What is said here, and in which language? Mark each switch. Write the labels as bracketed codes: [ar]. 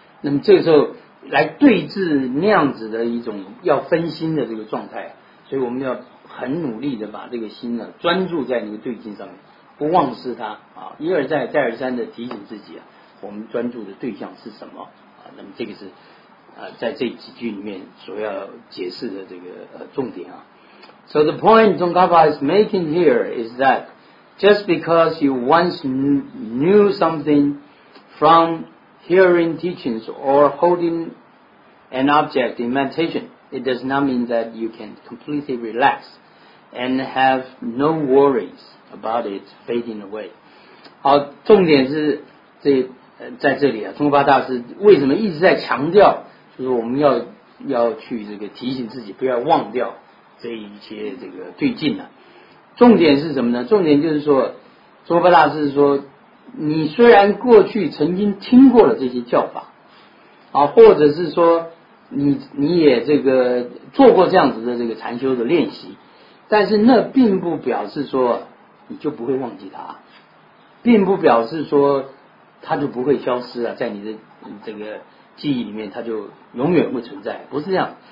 [zh] 那么这个时候来对治那样子的一种要分心的这个状态，所以我们要很努力的把这个心呢专注在那个对境上面，不忘失它啊，一而再再而三的提醒自己啊，我们专注的对象是什么啊。那么这个是在这几句里面所要解释的这个重点啊。 [en] So the point Tsongkhapa is making here is thatJust because you once knew something from hearing teachings or holding an object in meditation, it does not mean that you can completely relax and have no worries about it fading away. [zh] 好，重点是在这里啊，宗喀巴大师为什么一直在强调，就是我们要去这个提醒自己，不要忘掉这一些这个对境呢、啊？重点是什么呢？重点就是说，娑婆大师说，你虽然过去曾经听过了这些教法，啊，或者是说你也这个做过这样子的这个禅修的练习，但是那并不表示说你就不会忘记它，并不表示说它就不会消失了，在你的这个记忆里面，它就永远会存在，不是这样。